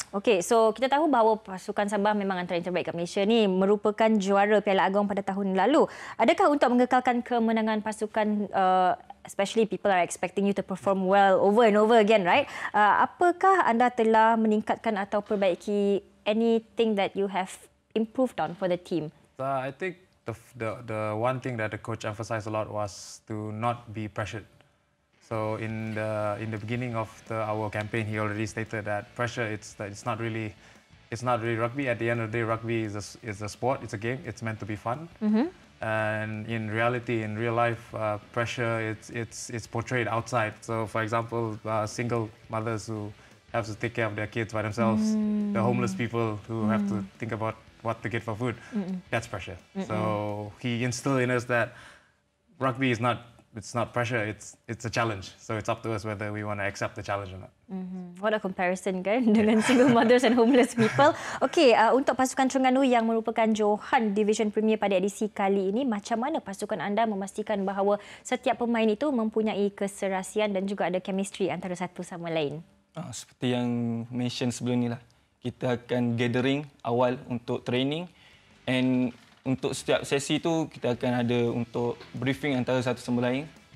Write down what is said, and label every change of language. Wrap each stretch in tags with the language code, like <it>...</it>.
<ms>Okey, so kita tahu bahawa pasukan Sabah memang antara yang terbaik kat Malaysia ni, merupakan juara Piala Agong pada tahun lalu. Adakah untuk mengekalkan kemenangan pasukan,</ms> <en>especially people are expecting you to perform well over and over again, right?</en> <ms>Apakah anda telah meningkatkan atau perbaiki</ms> <en>anything that you have improved on for the team? I think the one thing that the coach emphasized a lot was to not be pressured. So in the beginning of our campaign, he already stated that pressure, it's not really rugby. At the end of the day, rugby is a sport, it's a game, it's meant to be fun. And in reality, in real life, pressure it's portrayed outside. So for example, single mothers who have to take care of their kids by themselves, the homeless people who have to think about what to get for food, that's pressure. So he instilled in us that rugby is not it's not pressure, it's a challenge. So it's up to us whether we want to accept the challenge or not. Mm-hmm. What a comparison,</en> <ms>kan, dengan</ms> <en>single mothers and homeless people.</en> <ms>Okay, untuk pasukan Terengganu yang merupakan Johan Division Premier pada edisi kali ini, macam mana pasukan anda memastikan bahawa setiap pemain itu mempunyai keserasian dan juga ada chemistry antara satu sama lain? Seperti yang mention sebelum ini, kita akan gathering awal untuk training and untuk setiap sesi itu kita akan ada untuk briefing antara satu sama lain.</ms>